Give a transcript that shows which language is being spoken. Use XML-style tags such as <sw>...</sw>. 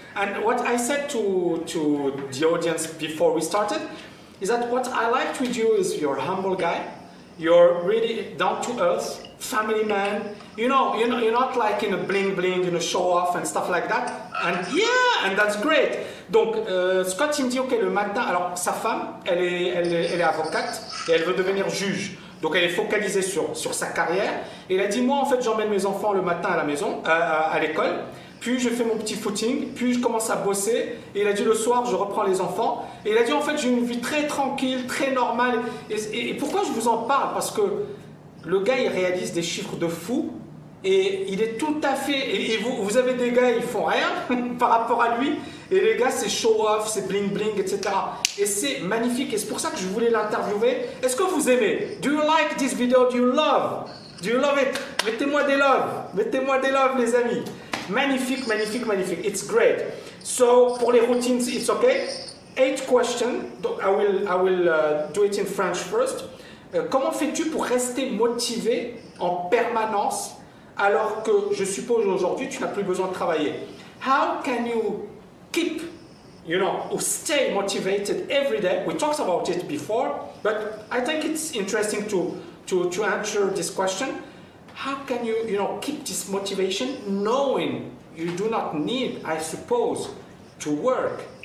<en>And what I said to the audience before we started is that what I liked with you is you're a humble guy. You're really down-to-earth, family man. You know, you're not like in a bling-bling, in a show-off and stuff like that. And yeah, and that's great.</en> <fr>Donc, Scott, il me dit, OK, le matin... Alors, sa femme, elle est avocate et elle veut devenir juge. Donc, elle est focalisée sur sa carrière. Et elle a dit, moi, en fait, j'emmène mes enfants le matin à la maison, à l'école. Puis, je fais mon petit footing. Puis, je commence à bosser. Et elle a dit, le soir, je reprends les enfants. Et elle a dit, en fait, j'ai une vie très tranquille, très normale. Et pourquoi je vous en parle? Parce que le gars, il réalise des chiffres de fou. Et il est tout à fait... Et vous avez des gars, ils font rien par rapport à lui. Et les gars, c'est show-off, c'est bling-bling, etc. Et c'est magnifique. Et c'est pour ça que je voulais l'interviewer. Est-ce que vous aimez?</fr> <en>Do you like this video? Do you love? Do you love it?</en> <fr>Mettez-moi des loves. Mettez-moi des loves, les amis. Magnifique, magnifique, magnifique.</fr> <en>It's great. So for the routines, it's okay. 8 questions. I will do it in French first.</en> <fr>Comment fais-tu pour rester motivé en permanence alors que je suppose aujourd'hui tu n'as plus besoin de travailler?</fr> <en>How can you keep, you know, or stay motivated every day? We talked about it before, but I think it's interesting to answer this question. How can you, you know, keep this motivation knowing you do not need, I suppose, to work?</en>